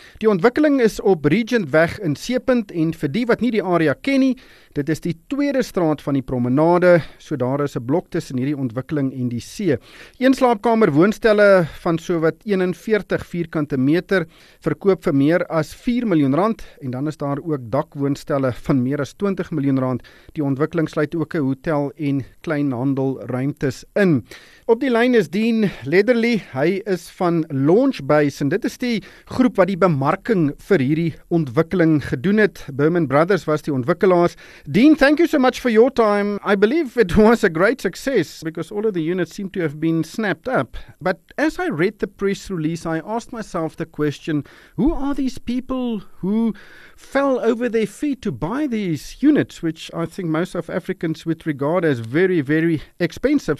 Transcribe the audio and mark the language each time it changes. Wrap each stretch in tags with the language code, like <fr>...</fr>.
<af>Die ontwikkeling is op Regentweg in Seepunt en vir die wat nie die area ken nie, dit is die tweede straat van die promenade, so daar is 'n blok tussen hierdie ontwikkeling en die see. Een slaapkamer woonstelle van sowat 41 vierkante meter verkoop vir meer as 4 miljoen rand en dan is daar ook dakwoonstelle van meer as 20 miljoen rand. Die ontwikkeling sluit ook 'n hotel en kleinhandel ruimtes in. Op die lyn is Dean Lederly, hy is van Launchbase en dit is die groep wat die bemarking vir hierdie ontwikkeling gedoen het. Berman Brothers was die ontwikkelaars.</af> <en>Dean, thank you so much for your time. I believe it was a great success because all of the units seem to have been snapped up. But as I read the press release, I asked myself the question, who are these people who fell over their feet to buy these units, which I think most of Africans would regard as very, very expensive.</en>